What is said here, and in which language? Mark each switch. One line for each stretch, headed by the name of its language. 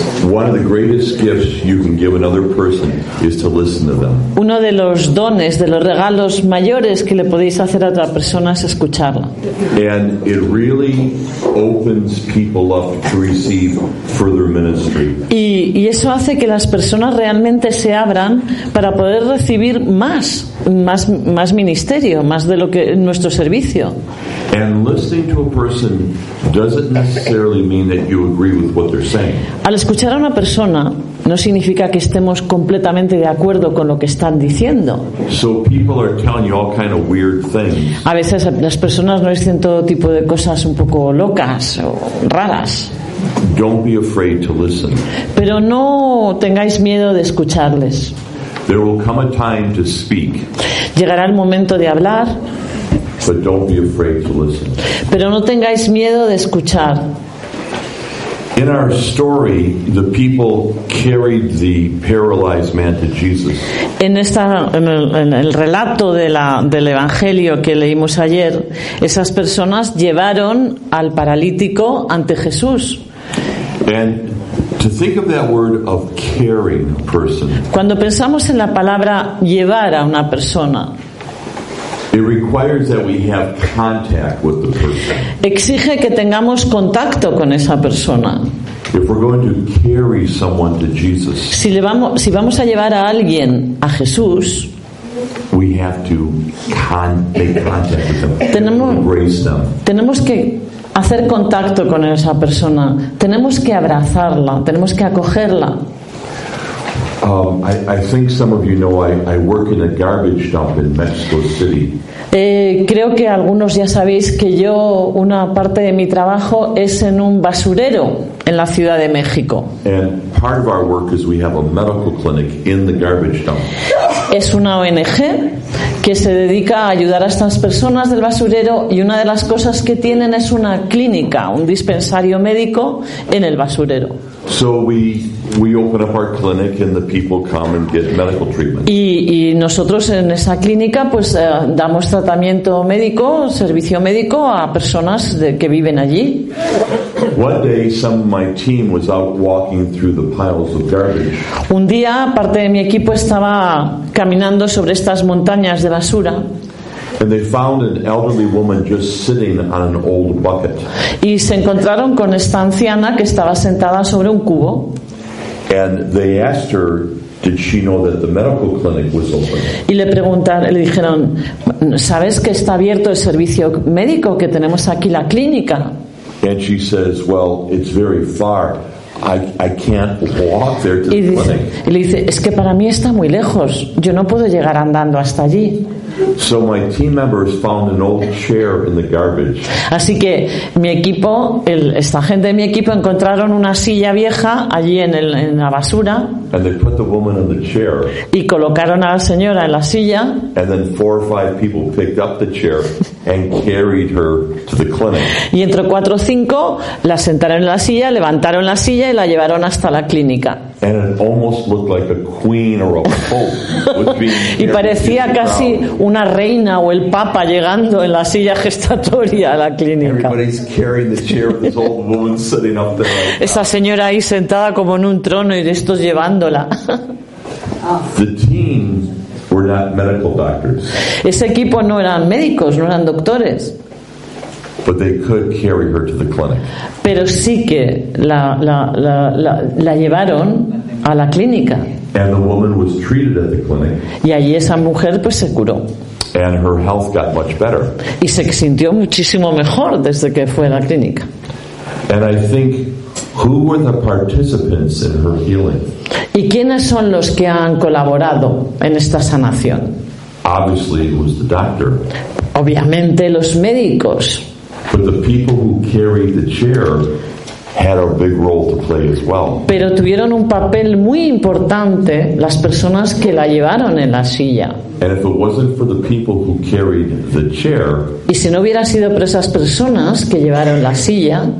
English: One of the greatest gifts you can give another person is to listen to them.
Spanish: Uno de los dones, de los regalos mayores que le podéis hacer a otra persona es escucharla.
English: And it really opens people up to receive further ministry.
Spanish: Y eso hace que las personas realmente se abran para poder recibir más ministerio, más de lo que nuestro servicio.
English: And listening to a person doesn't necessarily mean that you agree with what they're saying.
Spanish: Al escuchar a una persona no significa que estemos completamente de acuerdo con lo que están diciendo.
English: So people are telling you all kind of weird things.
Spanish: A veces las personas nos dicen todo tipo de cosas un poco locas o raras.
English: Don't be afraid to listen.
Spanish: Pero no tengáis miedo de escucharles.
English: There will come a time to speak.
Spanish: Llegará el momento de hablar.
English: But don't be afraid to listen.
Spanish: Pero no tengáis miedo de escuchar.
English: In our story, the people carried the paralyzed man to Jesus.
Spanish: En el relato del evangelio que leímos ayer, esas personas llevaron al paralítico ante Jesús.
English: And to think of that word of carrying a person.
Spanish: Cuando pensamos en la palabra llevar a una persona,
English: it requires that we have contact with the person.
Spanish: Exige que tengamos contacto con esa persona.
English: If we're going to carry someone to Jesus,
Spanish: si vamos a llevar a alguien a Jesús,
English: we have to make contact with them.
Spanish: Tenemos que hacer contacto con esa persona. Tenemos que abrazarla. Tenemos que acogerla.
English: I think some of you know I work in a garbage dump in Mexico City.
Spanish: Creo que algunos ya sabéis que yo una parte de mi trabajo es en un basurero en la Ciudad de México.
English: And part of our work is we have a medical clinic in the garbage dump.
Spanish: Es una ONG que se dedica a ayudar a estas personas del basurero y una de las cosas que tienen es una clínica, un dispensario médico en el basurero.
English: So we open up our clinic and the people come and get medical treatment.
Spanish: Y nosotros en esa clínica pues damos tratamiento médico, servicio médico a personas que viven allí.
English: One day some of my team was out walking through the piles of garbage.
Spanish: Un día parte de mi equipo estaba caminando sobre estas montañas de basura.
English: And they found an elderly woman just sitting on an old bucket.
Spanish: Y se encontraron con esta anciana que estaba sentada sobre un cubo.
English: And they asked her, did she know that the medical clinic was open?
Spanish: Y le dijeron, ¿sabes que está abierto el servicio médico que tenemos aquí la clínica?
English: And she says, well, it's very far. I can't walk there to the clinic.
Spanish: Y le dice, es que para mí está muy lejos. Yo no puedo llegar andando hasta allí.
English: So my team members found an old chair in the garbage.
Spanish: Así que mi equipo, esta gente de mi equipo encontraron una silla vieja allí en la basura.
English: And they put the woman in the chair.
Spanish: Y colocaron a la señora en la silla.
English: And then four or five people picked up the chair and carried her to the clinic.
Spanish: Y entre cuatro o cinco la sentaron en la silla, levantaron la silla y la llevaron hasta la clínica.
English: And it almost looked like a queen or a pope.
Spanish: Y parecía casi una reina o el papa llegando en la silla gestatoria a la clínica.
English: Everybody's carrying the chair with this old woman sitting up there.
Spanish: Esa señora ahí sentada como en un trono y estos llevándola.
English: The team were not medical doctors.
Spanish: Ese equipo no eran médicos, no eran doctores.
English: But they could carry her to the clinic.
Spanish: Pero sí que la llevaron a la clínica.
English: And the woman was treated at the clinic.
Spanish: Y allí esa mujer pues se curó.
English: And her health got much better.
Spanish: Y se sintió muchísimo mejor desde que fue a la clínica.
English: And I think, who were the participants in her healing?
Spanish: ¿Y quiénes son los que han colaborado en esta sanación?
English: Obviously, it was the doctor.
Spanish: Obviamente los médicos.
English: But the people who carried the chair had a big role to play as well.
Spanish: Pero tuvieron un papel muy importante las personas que la llevaron en la silla.
English: And if it wasn't for the people who carried the chair,
Spanish: y si no hubiera sido por esas personas que llevaron la silla,